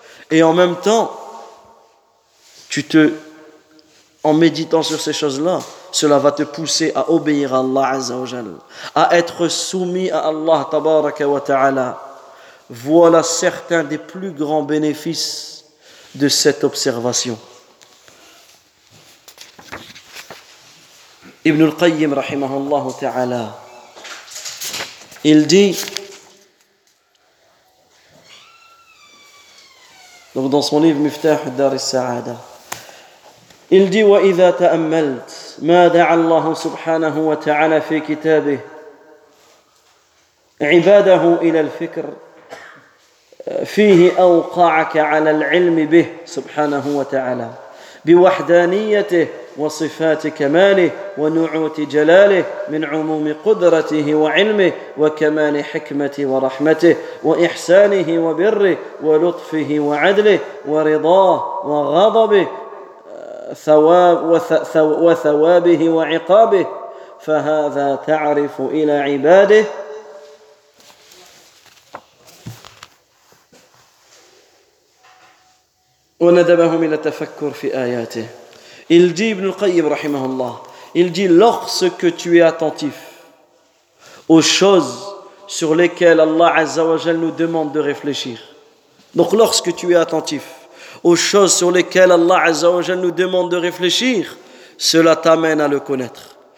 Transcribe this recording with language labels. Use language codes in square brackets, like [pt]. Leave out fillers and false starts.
[fr] Et en même temps, en méditant sur ces choses-là, cela va te pousser à obéir à Allah Azza wa Jal, à être soumis à Allah Tabaraka wa Ta'ala. Voilà certains des plus grands bénéfices de cette observation. Ibn al-Qayyim rahimahullah ta'ala, il dit, donc dans son livre Miftah al-Dar al-Sa'ada, il dit: [ar] وإذا تأملت ما دعا الله سبحانه وتعالى في كتابه عباده إلى الفكر فيه أوقعك على العلم به سبحانه وتعالى بوحدانيته وصفات كماله ونعوت جلاله من عموم قدرته وعلمه وكمال حكمته ورحمته وإحسانه وبره ولطفه وعدله ورضاه وغضبه وثوابه وعقابه فهذا تعرف إلى عباده وندبه من التفكر في آياته. [fr] Il dit, Ibn al-Qayyim rahimahullah, il dit: lorsque tu es attentif aux choses sur lesquelles Allah Azza wa Jal nous demande de réfléchir, donc lorsque tu es attentif aux choses sur lesquelles Allah Azza wa Jal nous demande de réfléchir, cela t'amène à le connaître.